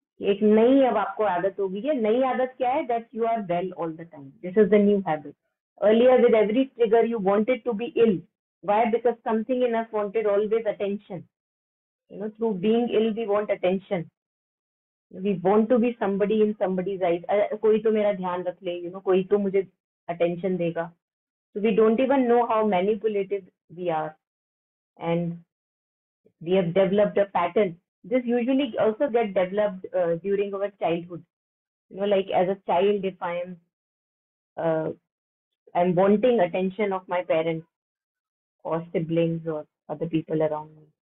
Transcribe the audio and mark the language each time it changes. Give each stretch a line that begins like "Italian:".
Hindi: एक नई अब आपको आदत हो गई है. नई आदत क्या है?
English: That you are well all the time. This is the new habit. Earlier with every trigger you wanted to be ill. Why? Because something in us wanted always attention. You know, through being ill we want attention. We want to be somebody in somebody's eyes.
Hindi: कोई तो मेरा ध्यान रख ले, you know, कोई तो मुझे attention देगा.
English: So we don't even know how manipulative we are. And we have developed a pattern. This usually also get developed during our childhood. You know, like as a child, if I'm wanting attention of my parents or siblings or other people around me.